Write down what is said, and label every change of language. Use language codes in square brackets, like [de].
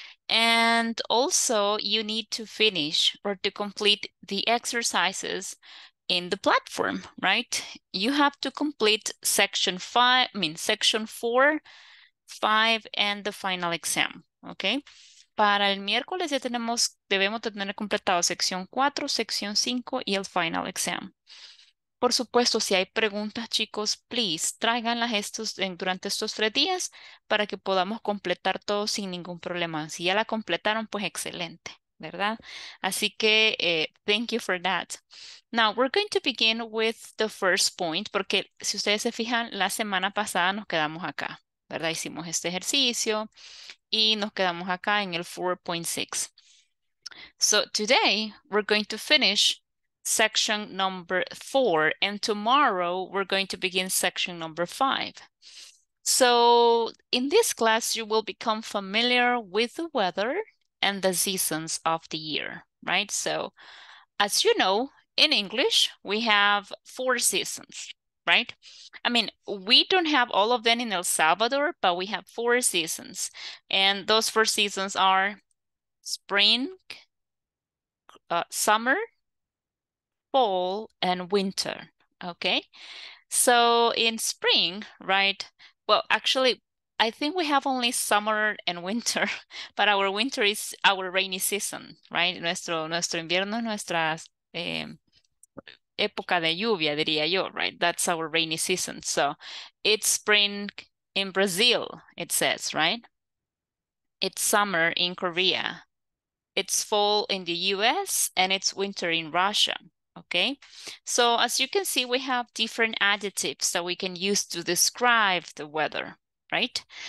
[en] And also, you need to finish or to complete the exercises in the platform, right? You have to complete section four, five, and the final exam, okay? [es] Para el miércoles ya debemos tener completado sección 4, sección 5 y el final exam. Por supuesto, si hay preguntas, chicos, please, tráiganlas durante estos 3 días para que podamos completar todo sin ningún problema. Si ya la completaron, pues excelente, ¿verdad? Así que, [en] thank you for that. Now, we're going to begin with the first point, [es] porque si ustedes se fijan, la semana pasada nos quedamos acá, ¿verdad? Hicimos este ejercicio y nos quedamos acá en el 4.6. [en] So, today, we're going to finish section number 4, and tomorrow we're going to begin section number 5. So in this class, you will become familiar with the weather and the seasons of the year, right? So as you know, in English, we have 4 seasons, right? I mean, we don't have all of them in El Salvador, but we have 4 seasons. And those 4 seasons are spring, summer, fall, and winter, okay? So in spring, right? Well, actually, I think we have only summer and winter, but our winter is our rainy season, right? [es] Nuestro invierno es nuestra época de lluvia, diría yo, right? [en] That's our rainy season. So it's spring in Brazil, it says, right? It's summer in Korea. It's fall in the US, and it's winter in Russia. Okay, so as you can see, we have different adjectives that we can use to describe the weather, right?